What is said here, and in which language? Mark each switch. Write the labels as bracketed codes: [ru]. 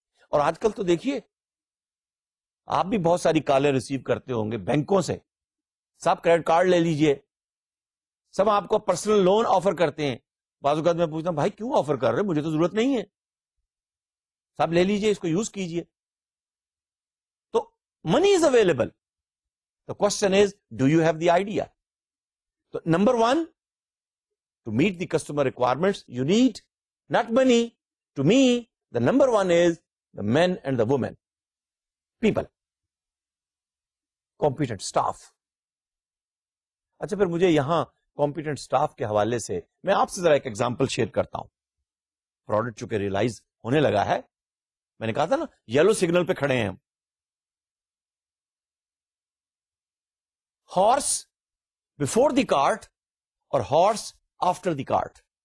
[ur] اور آج کل تو دیکھیے آپ بھی بہت ساری کالیں ریسیو کرتے ہوں گے بینکوں سے, سب کریڈٹ کارڈ لے لیجئے, سب آپ کو پرسنل لون آفر کرتے ہیں. بعض اوقات میں پوچھتا ہوں بھائی کیوں آفر کر رہے, مجھے تو ضرورت نہیں ہے, سب لے لیجئے اس کو یوز کیجئے. [en] تو money is available, the question is do you have the idea. تو number one, to meet the customer requirements you need not money. To me the number one is the man and the woman, people, competent staff. [ur] اچھا پھر مجھے یہاں competent staff کے حوالے سے میں آپ سے ذرا ایک ایگزامپل شیئر کرتا ہوں. پروڈکٹ چونکہ ریئلائز ہونے لگا ہے, میں نے کہا تھا نا یلو سگنل پہ کھڑے ہیں ہم, [en] horse before the cart [ur] اور [en] Horse after the cart.